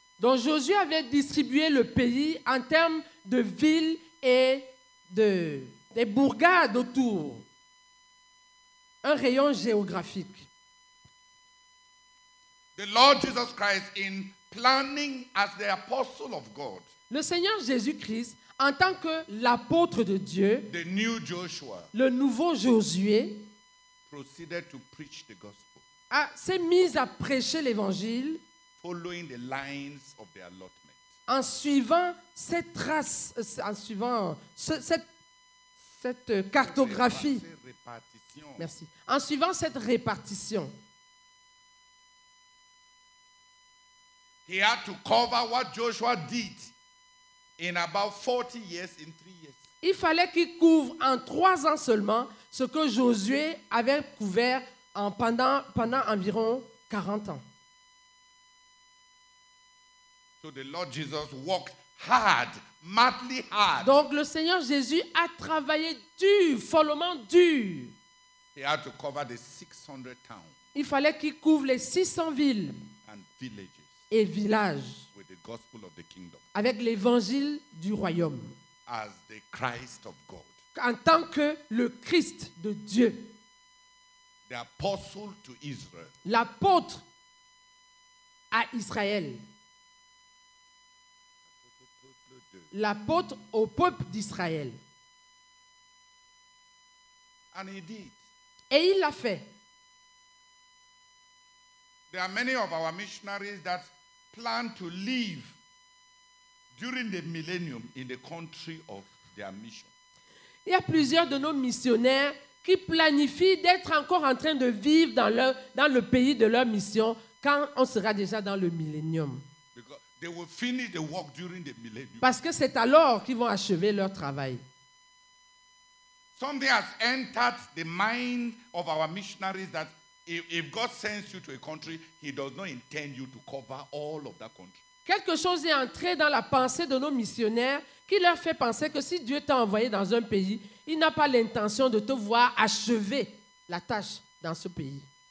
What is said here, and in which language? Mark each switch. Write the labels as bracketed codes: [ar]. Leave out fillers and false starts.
[fr] Donc Josué avait distribué le pays en termes de villes et des bourgades autour, un rayon géographique. [en] The Lord Jesus Christ, in planning as the apostle of God, [fr] le Seigneur Jésus-Christ, en tant que l'apôtre de Dieu, [en] the new Joshua, [fr] le nouveau Josué, [en] proceeded to preach the gospel. [fr] S'est mis à prêcher l'évangile. [en] Following the lines of the allotment. [fr] En suivant cette trace, en suivant cette cartographie. Répartition. Merci. En suivant cette répartition. [en] He had to cover what Joshua did in about 40 years, in 3 years. [fr] Il fallait qu'il couvre en 3 ans seulement ce que Josué avait couvert pendant environ 40 ans. [en] So the Lord Jesus worked hard, madly hard. [fr] Donc le Seigneur Jésus a travaillé dur, follement dur. [en] He had to cover the 600 towns. [fr] Il fallait qu'il couvre les 600 villes [en] and villages [fr] et villages [en] with the gospel of the kingdom. [fr] Avec l'évangile du royaume. [en] As the Christ of God. [fr] En tant que le Christ de Dieu. [en] The apostle to Israel. [fr] L'apôtre à Israël. L'apôtre au peuple d'Israël. [en] And he did. [fr] Et il l'a fait. [en] There are many of our missionaries that plan to leave during the millennium in the country of their mission. [fr] Il y a plusieurs de nos missionnaires qui planifient d'être encore en train de vivre dans le pays de leur mission quand on sera déjà dans le millénium. [en] They will finish the work during the millennium. [fr] Parce que c'est alors qu'ils vont achever leur travail. [en] Something has entered the mind of our missionaries that if God sends you to a country, he does not intend you to cover all of that country. [fr] Quelque chose est entré dans la pensée de nos missionnaires qui leur fait penser que si Dieu t'a envoyé dans un pays, il n'a pas l'intention de te voir achever la tâche dans ce pays.